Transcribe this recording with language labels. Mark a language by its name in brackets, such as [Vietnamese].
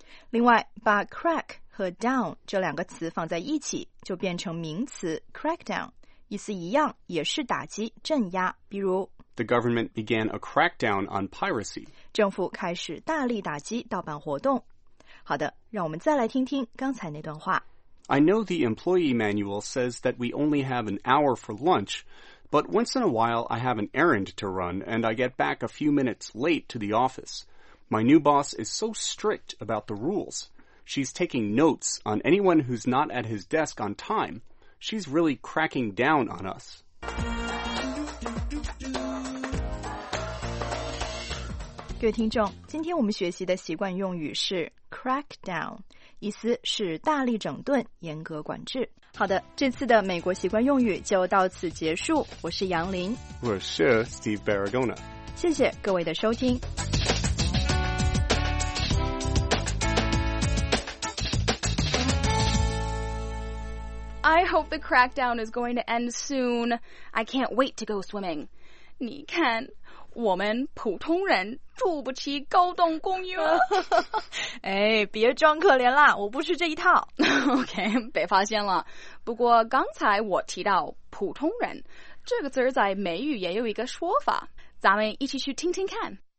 [Chinese] 另外，把 crack 和 down 这两个词放在一起，就变成名词 crackdown, 意思一样，也是打击、镇压。比如 [English] ,The government began a crackdown on piracy. [Chinese] 政府开始大力打击盗版活动。好的，让我们再来听听刚才那段话。 [English] I know the employee manual says that we only have an hour for lunch,But once in a while, I have an errand to run, and I get back a few minutes late to the office. My new boss is so strict about the rules. She's taking notes on anyone who's not at his desk on time. She's really cracking down on us. [Chinese] 各位听众，今天我们学习的习惯用语是 crack down, 意思是大力整顿，严格管制。好的，这次的美国习惯用语就到此结束。我是杨林，我是 Steve Barragona。谢谢各位的收听。 [English] I hope the crackdown is going to end soon. I can't wait to go swimming. [Chinese] 你看，我们普通人住不起高档公寓了。哎，别装可怜啦，我不是这一套。 OK, 被发现了。不过刚才我提到普通人这个词在美语也有一个说法，咱们一起去听听看。